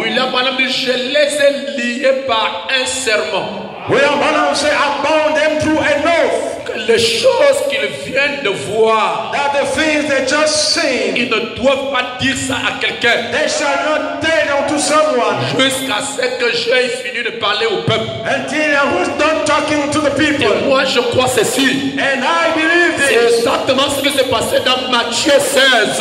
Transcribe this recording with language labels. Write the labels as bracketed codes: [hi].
[fr] William Branham dit, je les ai liés par un serment. [en] William Branham said, I bound them through an oath. [fr] Que les choses qu'ils viennent de voir, [en] that the things they just seen, [fr] ils ne doivent pas dire ça à quelqu'un. [en] They shall not tell them to someone. [fr] Jusqu'à ce que j'aie fini de parler au peuple. [en] Until I was done talking to the people. [fr] Et moi, je crois ceci. [en] And I believe this. [fr] C'est exactement ce qui s'est passé dans Matthieu 16.